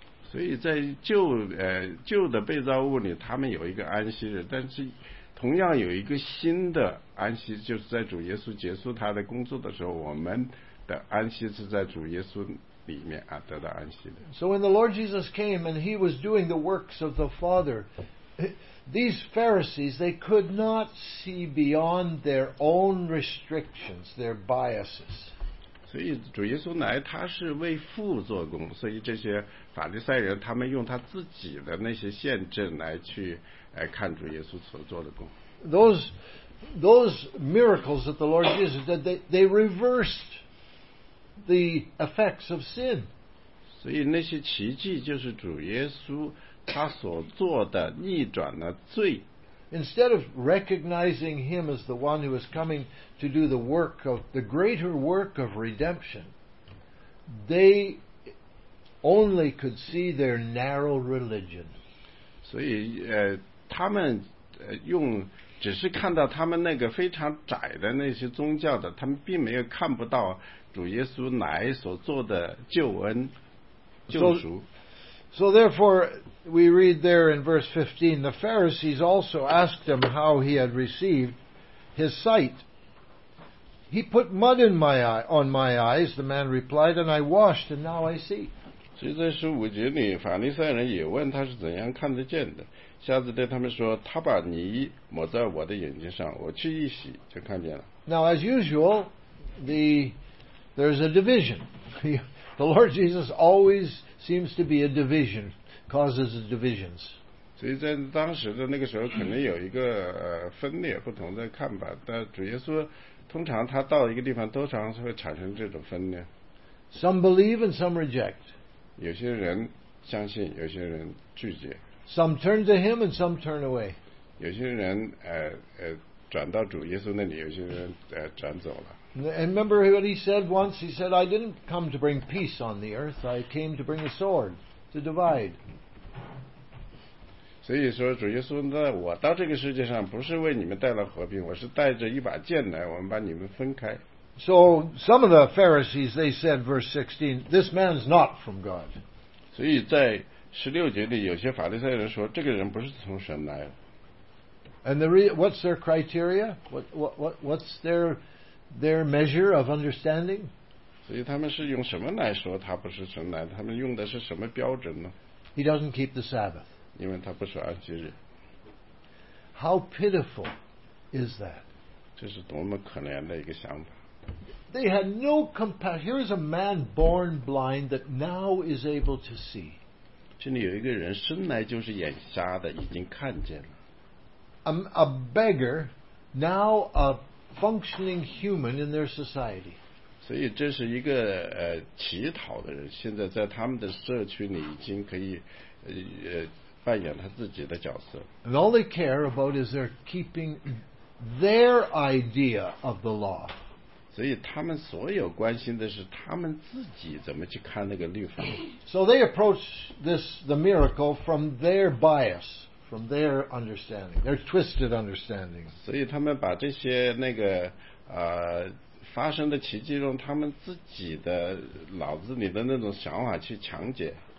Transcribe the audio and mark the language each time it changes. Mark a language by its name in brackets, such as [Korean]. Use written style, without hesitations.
[Chinese] 所以在旧的被造物里，他们有一个安息日，但是同样有一个新的安息，就是在主耶稣结束他的工作的时候，我们的安息是在主耶稣里面啊得到安息的。 [English] So when the Lord Jesus came and he was doing the works of the Father, these Pharisees, they could not see beyond their own restrictions, their biases. [Chinese] 所以主耶稣来，他是为父做工，所以这些法利赛人他们用他自己的那些限制来去看主耶稣所做的工。 [English] Those miracles that the Lord Jesus did, they reversed the effects of sin. [Chinese] 所以那些奇迹就是主耶稣他所做的，逆转了罪。 [English] Instead of recognizing him as the one who is coming to do the work of the greater work of redemption, they only could see their narrow religion. [Chinese] 所以他们用只是看到他们那个非常窄的那些宗教的，他们并没有看不到主耶稣来所做的救恩救赎。 [English] So therefore, we read there in verse 15, the Pharisees also asked him how he had received his sight. He put mud in my eye, on my eyes, the man replied, and I washed, and now I see. [Chinese] 所以在十五节里，法利赛人也问他是怎样看得见的。瞎子对他们说，他把泥抹在我的眼睛上，我去一洗就看见了。 [English] Now, as usual, there is a division. The Lord Jesus always seems to be a division, causes the divisions. [Chinese] 所以在当时的那个时候可能有一个分裂不同的看法但主耶稣通常他到一个地方都常会产生这种分裂 [English] Some believe and some reject [Chinese] 有些人相信有些人拒绝 [English] Some turn to him and some turn away [Chinese] 有些人转到主耶稣那里有些人转走了 [English] And remember what he said once he said I didn't come to bring peace on the earth I came to bring a sword to divide [Chinese] 所以说主耶稣那我到这个世界上不是为你们带来和平我是带着一把剑来我们把你们分开 [English] So some of the Pharisees they said verse 16 This man's not from God [Chinese] 所以在十六节里有些法利赛人说这个人不是从神来的 [English] And what's their criteria? What's their measure of understanding? [Chinese] 所以他们是用什么来说他不是神来的他们用的是什么标准呢 [English] He doesn't keep the Sabbath How pitiful is that? [Chinese] 这是多么可怜的一个想法。 [English] They had no compassion. Here is a man born blind that now is able to see. [Chinese] 这里有一个人生来就是眼瞎的，已经看见了。 [English] A beggar, now a functioning human in their society. [Chinese] 所以这是一个乞讨的人，现在在他们的社区里已经可以扮演他自己的角色。 [English] And all they care about is their keeping their idea of the law. [Chinese] 所以他们所有关心的是他们自己怎么去看那个律法。 [English] So they approach the miracle from their bias, from their understanding, their twisted understanding. [Chinese] 所以他们把这些那个发生的奇迹用他们自己的脑子里的那种想法去强解。